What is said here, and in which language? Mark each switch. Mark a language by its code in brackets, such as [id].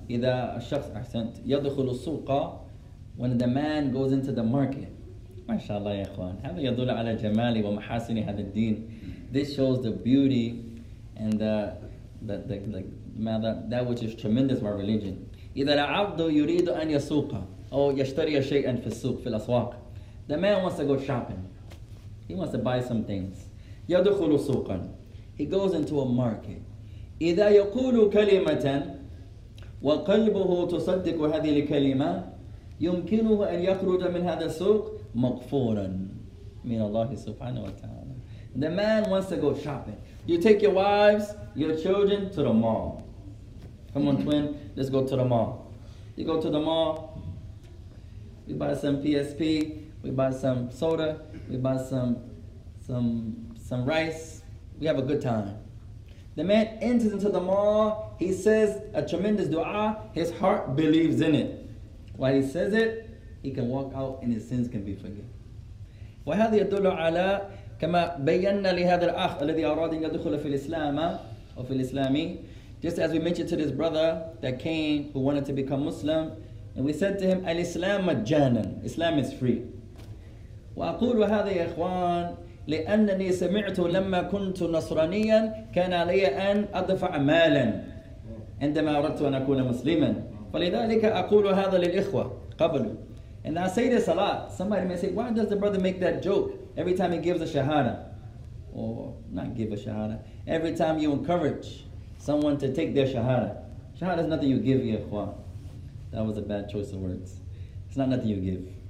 [ar] إذا الشخص أحسنت يدخل السوق. [en] When the man goes into the market, mashallah, ya ikhwan, [ar] هذا يدل على جمالي ومحاسني هذا الدين. [en] This shows the beauty and the which is tremendous by religion. [ar] إذا العبد يريد أن يسوق أو يشتري شيئا في السوق في الأسواق. [en] The man wants to go shopping. He wants to buy some things. [ar] يدخل سوقا. [en] He goes into a market. [ar] إذا يقول كلمة وقلبه تصدق هذه الكلمة. يمكنه أن يخرج من هذا السوق مغفورا من الله سبحانه وتعالى. [en] The man wants to go shopping. You take your wives, your children to the mall. Come on, twin, let's go to the mall. You go to the mall, we buy some PSP, we buy some soda, we buy some rice, we have a good time. The man enters into the mall, he says a tremendous dua, his heart believes in it. While he says it, he can walk out and his sins can be forgiven. [ar] وهذا يدل على كما بينا لهذا الأخ الذي أراد أن يدخل في الإسلام أو في الإسلامي. [en] Just as we mentioned to this brother that came who wanted to become Muslim, and we said to him, [ar] الإسلام مجانا. [en] Islam is free. [ar] وأقول هذا يا إخوان لأنني سمعت لما كنت نصرانيا كان علي أن أدفع مالا عندما أردت أن أكون مسلما. فلذلك أقول هذا للإخوة قبل. [en] And I say this a lot. Somebody may say, why does the brother make that joke every time he gives a shahada? Or not give a shahada. Every time you encourage someone to take their shahada. Shahada is nothing you give, ya إخوة. That was a bad choice of words. It's not nothing you give.